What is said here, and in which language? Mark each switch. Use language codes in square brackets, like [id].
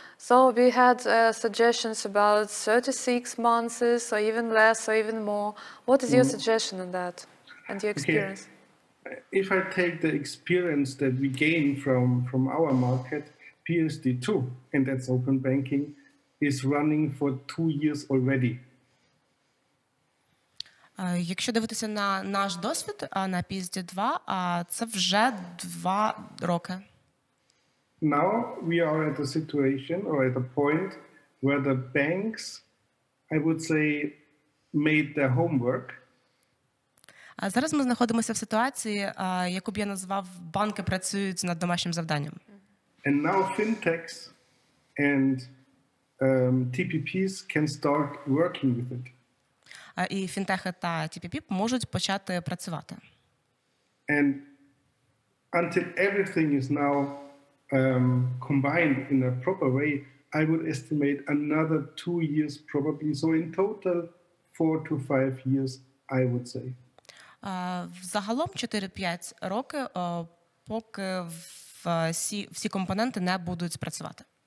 [en] So we had suggestions about 36 months or even less or even more. What is your suggestion on that and your experience? Okay. If I take the experience that we gain from our market, PSD2, and that's open banking, is running for 2 years already. [uk] Якщо дивитися на наш досвід, на PSD2, це вже 2 роки. [en] Now we are at a situation or at a point where the banks, I would say, made their homework. [uk] Зараз ми знаходимося в ситуації, яку б я назвав, банки працюють над домашнім завданням. [en] And now fintechs and TPPs can start working with it. [uk] І фінтехи та TPP можуть почати працювати. [en] And until everything is now combined in a proper way, I would estimate another 2 years probably. So in total, 4 to 5 years, I would say. [uk] Загалом 4-5 роки, поки всі компоненти не будуть спрацювати.